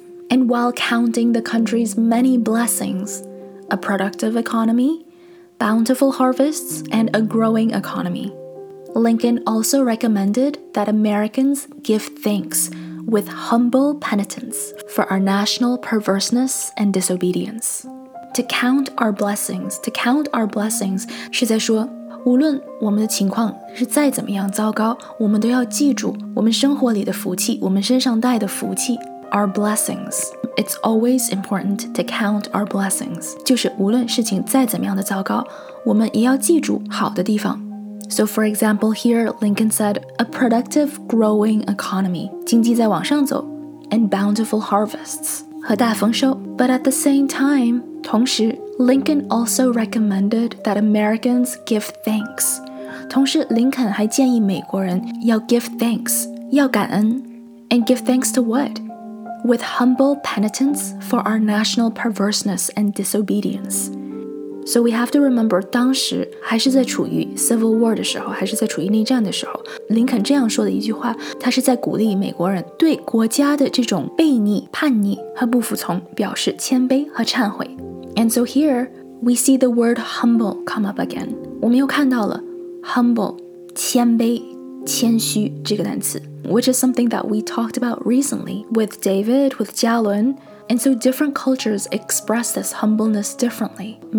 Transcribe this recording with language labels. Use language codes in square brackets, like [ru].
[en] And while counting the country's many blessings,A productive economy, bountiful harvests, and a growing economy. Lincoln also recommended that Americans give thanks with humble penitence for our national perverseness and disobedience. To count our blessings, [zh] 是在说, 无论我们的情况是再怎么样糟糕, 我们都要记住我们生活里的福气, 我们身上带的福气, [en] our blessings. It's always important to count our blessings. [zh] 就是无论事情再怎么样的糟糕, 我们也要记住好的地方。 [en] So for example, here Lincoln said, a productive growing economy, [zh] 经济在往上走, [en] and bountiful harvests, [zh] 和大丰收, [en] but at the same time, [zh] 同时, [en] Lincoln also recommended that Americans give thanks. [zh] 同时, Lincoln 还建议美国人要 [en] give thanks, [zh] 要感恩, [en] and give thanks to what? With humble penitence for our national perverseness and disobedience. So we have to remember, [zh] 当时还是在处于 [en] civil war [zh] 的时候, 还是在处于内战的时候, Lincoln 这样说的一句话, 他是在鼓励美国人对国家的这种悖逆、叛逆和不服从表示谦卑和忏悔。 [en] And so here, we see the word humble come up again. [zh] 我们又看到了 humble, 谦卑、谦虚这个单词, [en] which is something that we talked about recently with David, with Jialun. And so different cultures express this humbleness differently.